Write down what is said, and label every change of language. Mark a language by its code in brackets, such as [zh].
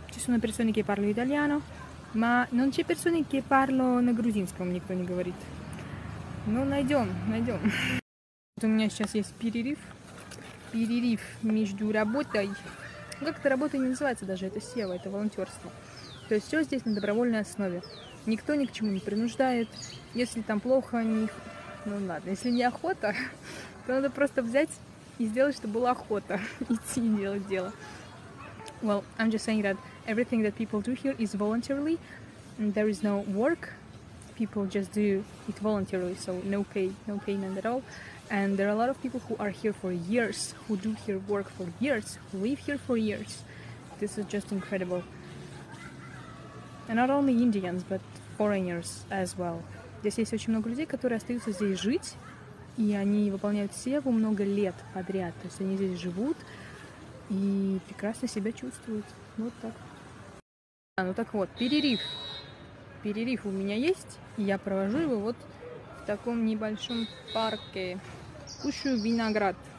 [it] Ci sono persone che parlano italiano, ma non c'è persone che parlano [ru] на грузинском, никто не говорит. Ну, найдем. Вот у меня сейчас есть перерыв. Перерыв между работой. Как это работа не называется даже, это сева, это волонтерство. То есть все здесь на добровольной основе. Никто ни к чему не принуждает. Если там плохо, они... Ну ладно, если не охота, то надо просто взять и сделать, чтобы была охота идти и делать дело. [en] Well, I'm just saying that everything that people do here is voluntarily. There is no work. People just do it voluntarily, so no payment at all. And there are a lot of people who are here for years, who do here work for years, who live here for years. This is just incredible. And not only Indians, but foreigners as well. [ru] Здесь есть очень много людей, которые остаются здесь жить, и они выполняют севу много лет подряд. То есть они здесь живут и прекрасно себя чувствуют. Вот так. А, ну так вот, перерыв. Перерыв у меня есть, и я провожу его вот в таком небольшом парке. Кушаю виноград.